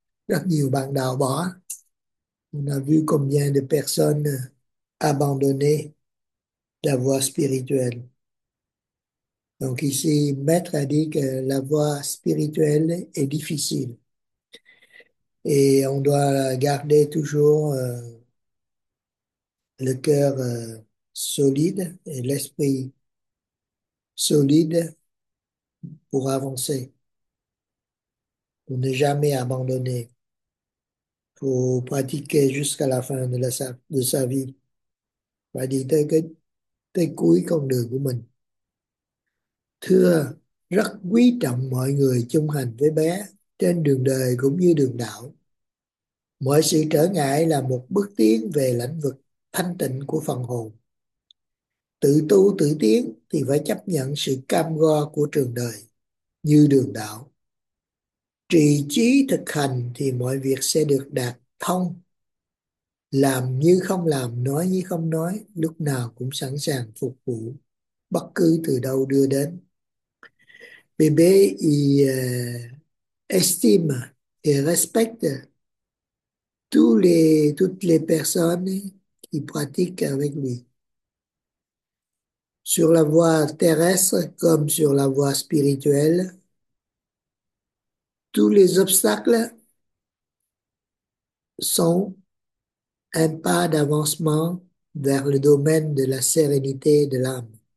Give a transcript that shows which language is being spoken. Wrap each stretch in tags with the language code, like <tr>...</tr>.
<vi>Rất nhiều bạn đạo bỏ.</vi> <fr>On a vu combien de personnes abandonner la voie spirituelle. Donc ici, Maître a dit que la voie spirituelle est difficile. Et on doit garder toujours le cœur solide et l'esprit solide pour avancer. Pour ne jamais abandonner. Pour pratiquer jusqu'à la fin de sa vie.</fr> <vi>Và đi tới tới cuối con đường của mình. Thưa, rất quý trọng mọi người chung hành với bé trên đường đời cũng như đường đạo. Mọi sự trở ngại là một bước tiến về lĩnh vực thanh tịnh của phần hồn. Tự tu tự tiến thì phải chấp nhận sự cam go của trường đời như đường đạo. Trì chí thực hành thì mọi việc sẽ được đạt thông. Làm như không làm, nói như không nói, lúc nào cũng sẵn sàng phục vụ bất cứ từ đâu đưa đến.</vi> <fr>Bébé, il estime et respecte toutes les personnes qui pratiquent avec lui. Sur la voie terrestre comme sur la voie spirituelle, tous les obstacles sont un pas d'avancement vers le domaine de la sérénité de l'âme.</fr>